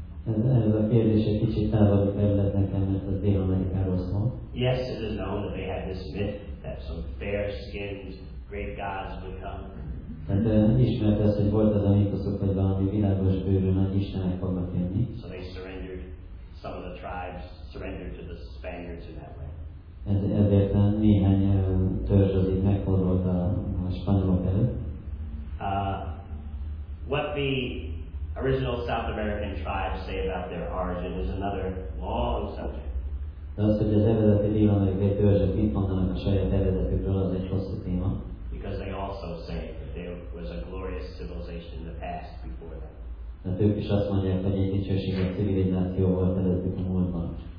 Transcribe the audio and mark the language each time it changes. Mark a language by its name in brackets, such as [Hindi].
[English] Yes, it is known that they had this myth that some fair-skinned great gods would come. So they surrendered, some of the tribes surrendered to the Spaniards in that way. [Hungarian] Ezért néhány törzs az itt megfordult a spanyolok előtt. [English] What the original South American tribes say about their origin is another long subject. [Hungarian] De az, hogy az eredeti dél-amerikai törzsök mit mondanak a saját eredetükről, az egy hosszú téma. [English] Because they also say that there was a glorious civilization in the past before them. [Hungarian] Tehát ők is azt mondják, hogy egy dicsőséges civilizáció volt előttük a múltban.